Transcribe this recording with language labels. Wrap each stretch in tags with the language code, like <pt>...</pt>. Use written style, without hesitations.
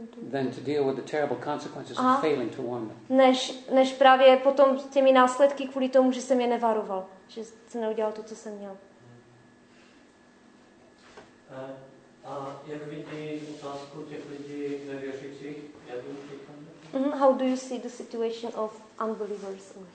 <en>Then to deal with the terrible consequences of failing to warn them.</en> <cs>Než právě potom těmi následky kvůli tomu, že jsem je nevaroval, že jsem neudělal to, co jsem měl. A jak vidí otázku těch lidí nevěřících?</cs> <en>How do you see the situation of unbelievers?</en>